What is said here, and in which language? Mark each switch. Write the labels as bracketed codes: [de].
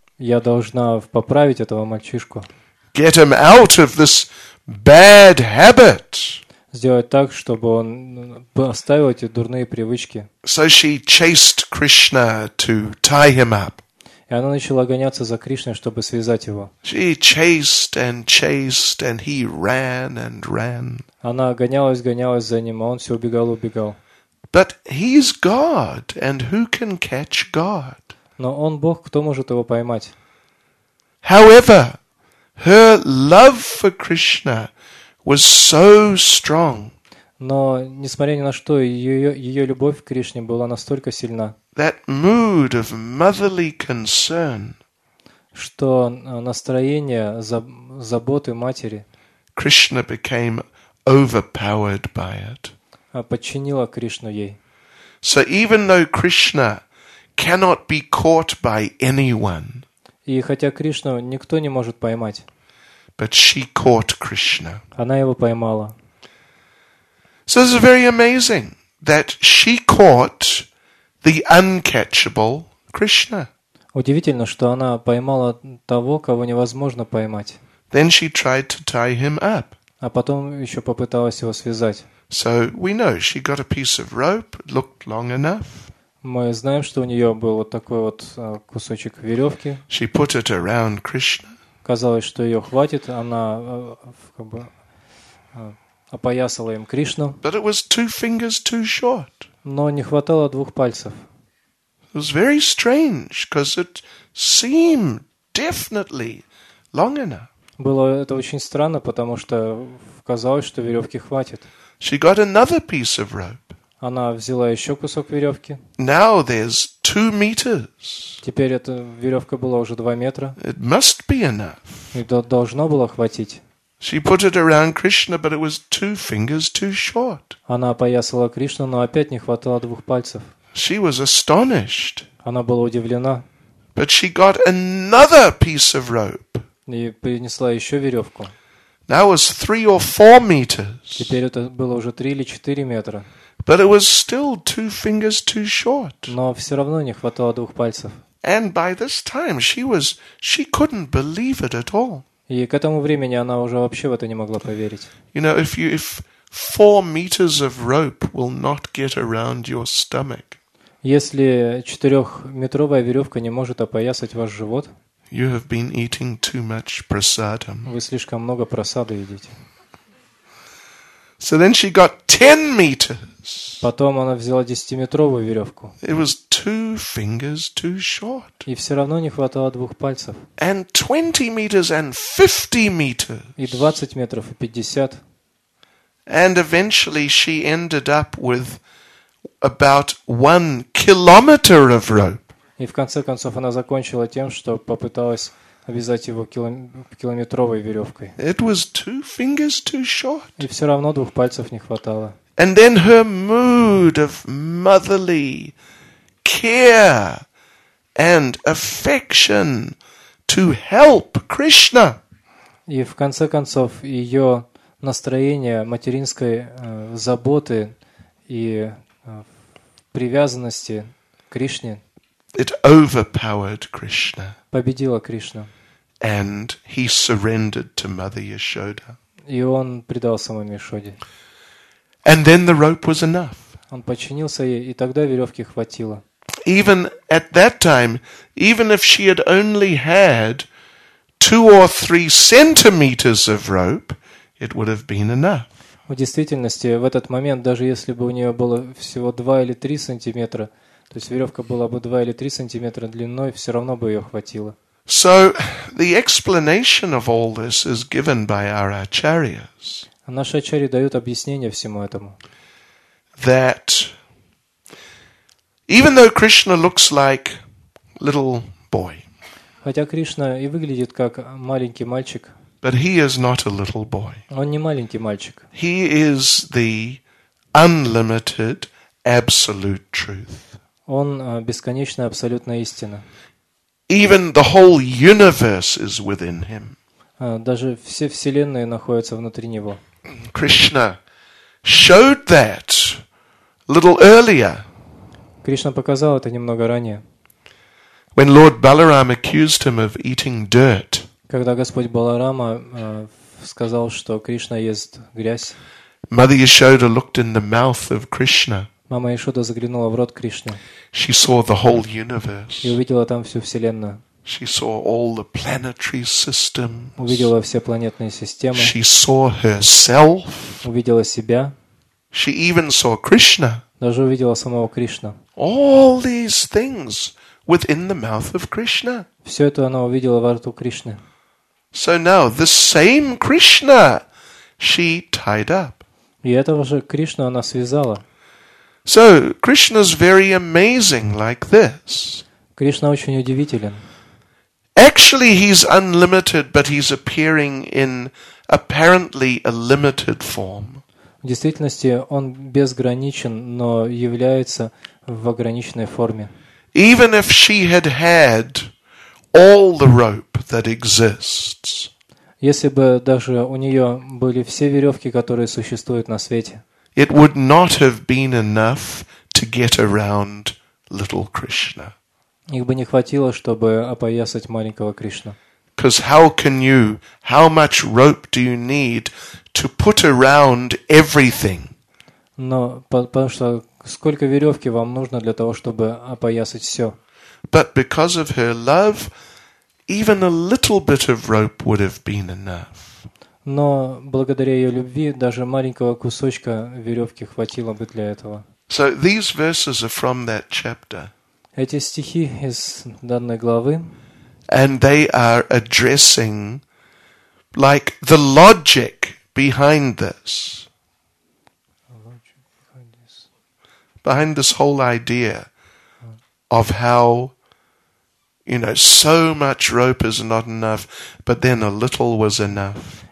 [ru] Я должна поправить этого мальчишку. [en] Get him out of this bad habit. [ru] Сделать так, чтобы он оставил эти дурные привычки. [en] So she chased Krishna to tie him up. [ru] И она начала гоняться за Кришной, чтобы связать его. [en] She chased and chased, and he ran and ran. [ru] Она гонялась за ним, а он все убегал. [en] But he's God, and who can catch God? [ru] Но он Бог, кто может его поймать? [en] However, her love for Krishna was so strong. [ru] Но несмотря ни на что, ее любовь к Кришне была настолько сильна. [en] That mood of motherly concern. [ru] Что настроение заботы матери. [en] Krishna became overpowered by it. [ru] Подчинила Кришну ей. [en] So even though Krishna cannot be caught by anyone. [ru] И хотя Кришну никто не может поймать. [en] But she caught Krishna. [ru] Она его поймала. [en] So this is very amazing that she caught the uncatchable Krishna. [ru] Удивительно, что она поймала того, кого невозможно поймать. [en] Then she tried to tie him up. [ru] А потом еще попыталась его связать. [en] So we know she got a piece of rope, looked long enough. [ru] Мы знаем, что у нее был вот такой вот кусочек веревки. [en] She put it around Krishna. [ru] Казалось, что ее хватит, она как бы опоясала им Кришну. [en] But it was two fingers too short. [ru] Но не хватало двух пальцев. [en] It was very strange, because it seemed definitely long enough. [ru] Было это очень странно, потому что казалось, что веревки хватит. [en] She got another piece of rope. [ru] Она взяла еще кусок веревки. [en] Now there's 2 meters. [ru] Теперь эта веревка была уже 2 метра. [en] It must be enough. [ru] И должно было хватить. [en] She put it around Krishna, but it was 2 fingers too short. [ru] Она опоясала Кришну, но опять не хватало 2 пальцев. [en] She was astonished. [ru] Она была удивлена. [en] But she got another piece of rope. [ru] И принесла еще веревку. [en] Now it was 3 or 4 meters. [ru] Теперь это было уже 3 или 4 метра. [en] But it was still 2 fingers too short. [ru] Но все равно не хватало 2 пальцев. [en] And by this time she couldn't believe it at all. [ru] И к этому времени она уже вообще в это не могла поверить. [en] You know, if 4 meters of rope will not get around your stomach, [ru] если 4-метровая веревка не может опоясать ваш живот, [en] you have been eating too much prasadam. [ru] Вы слишком много прасады едите. [en] So then she got 10 meters. [ru] Потом она взяла 10-метровую веревку. [en] It was 2 fingers too short. [ru] И все равно не хватало 2 пальцев. [en] And 20 meters and 50 meters. [ru] И 20 метров и 50. [en] And eventually she ended up with about 1 kilometer of rope. [ru] И в конце концов она закончила тем, что попыталась обвязать его километровой веревкой. [en] It was 2 fingers too short. [ru] И все равно 2 пальцев не хватало. [en] And then her mood of motherly care and affection to help Krishna. [ru] И в конце концов ее настроение материнской заботы и привязанности к Кришне. [en] It overpowered Krishna. [ru] Победила Кришну. [en] And he surrendered to Mother Yashoda. [ru] И он предался маме Яшоде. [en] And then the rope was enough. [ru] Он подчинился ей, и тогда веревки хватило. [en] Even at that time, even if she had only had 2 or 3 centimeters of rope, it would have been enough. [ru] В действительности, в этот момент, даже если бы у нее было всего 2 или 3 сантиметра, то есть веревка была бы 2 или 3 сантиметра длиной, все равно бы ее хватило. [en] So the explanation of all this is given by our acharyas. [ru] Наши ачарьи дают объяснение всему этому. [en] That even though Krishna looks like little boy. [ru] Хотя Кришна и выглядит как маленький мальчик. [en] But he is not a little boy. [ru] Он не маленький мальчик. [en] He is the unlimited absolute truth. [ru] Он бесконечная абсолютная истина. [en] Even the whole universe is within him. [ru] Даже все вселенные находятся внутри него. [en] Krishna showed that a little earlier. [ru] Кришна показал это немного ранее. [en] When Lord Balaram accused him of eating dirt. [ru] Когда Господь Баларама сказал, что Кришна ест грязь. [en] Mother Yashoda looked in the mouth of Krishna. [ru] Мама Яшода заглянула в рот Кришны. [en] She saw the whole universe. [ru] И увидела там всю вселенную. [en] She saw all the planetary systems. [ru] Увидела все планетные системы. [en] She saw herself. [ru] Увидела себя. [en] She even saw Krishna. [ru] Даже увидела самого Кришну. [en] All these things within the mouth of Krishna. [ru] Все это она увидела во рту Кришны. [en] So now the same Krishna she tied up. [ru] И этого же Кришну она связала. [en] So Krishna's very amazing like this. [ru] Кришна очень удивителен. [en] Actually, he's unlimited, but he's appearing in apparently a limited form. [ru] В действительности он безграничен, но является в ограниченной форме. [en] Even if she had had all the rope that exists. [ru] Если бы даже у нее были все веревки, которые существуют на свете. [en] It would not have been enough to get around little Krishna. [ru] Их бы не хватило, чтобы опоясать маленького Кришну. [en] Because how much rope do you need to put around everything? [ru] Но потому что сколько веревки вам нужно для того, чтобы опоясать все? [en] But because of her love, even a little bit of rope would have been enough. [ru] Но благодаря ее любви даже маленького кусочка веревки хватило бы для этого. [en] So these verses are from that chapter. [ru] Эти стихи из данной главы. [en] And they are addressing like the logic behind this. behind this whole idea of how, you know, so much rope is not enough, but then a little was enough.